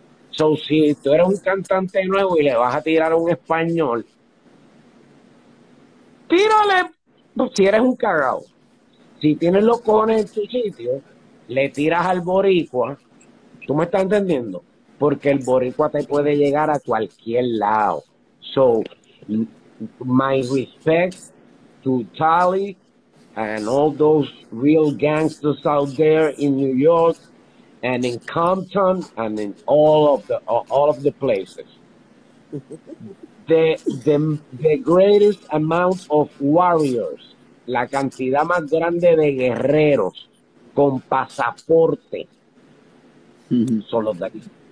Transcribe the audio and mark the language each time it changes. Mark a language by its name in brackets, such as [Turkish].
[Spanish] So, si tú eres un cantante nuevo y le vas a tirar a un español, tírale, si eres un cagao. Si tienes los cojones en tu sitio, le tiras al boricua. ¿Tú me estás entendiendo? Porque el boricua te puede llegar a cualquier lado. [English] So, my respect to Tali and all those real gangsters out there in New York and in Compton and in all of the places. The greatest amount of warriors, [Spanish] la cantidad más grande de guerreros con pasaporte, son los de aquí.